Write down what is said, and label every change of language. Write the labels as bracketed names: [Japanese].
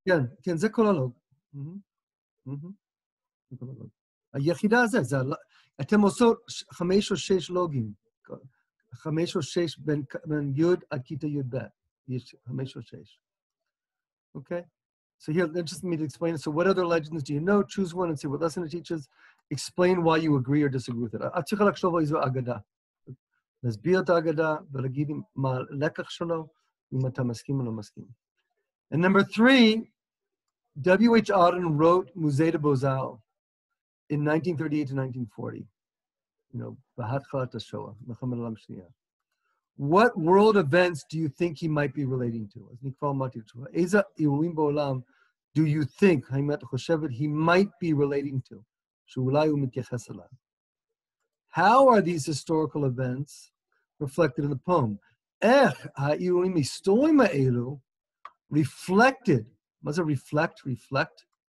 [Hebrew] כן, כן, זה כל הלוג. היחידה הזה, אתם עושות 5 או 6 לוגים, 5 או 6 בין יוד עד כיתה יוד בית, יש 5 או 6. [English] Okay, so here, just me to explain. So what other legends do you know? Choose one and see what lesson it teaches. Explain why you agree or disagree with it. [Hebrew] At צריך לחשוב על איזו אגדה. להסביר את האגדה ולהגיד מה הלקח שלו, אם אתה מסכים או לא מסכים. [English] And number 3, W.H. Auden wrote Musée de Beaux-Arts in 1938 to 1940. You know, [Hebrew] בהתחלת השואה, מלחמת העולם השנייה. [English] What world events do you think he might be relating to? [Hebrew] אז נקרא מתי תשובה. איזה אירועים בעולם [English] do you think, [Hebrew] האם אתה חושבת, [English] he might be relating to, [Hebrew] שאולי הוא מתייחס אליו? [English] How are these historical events reflected in the poem? [Hebrew] איך האירועים היסטוריים האלו [English] reflected, [Hebrew] מה זה reflect, reflect?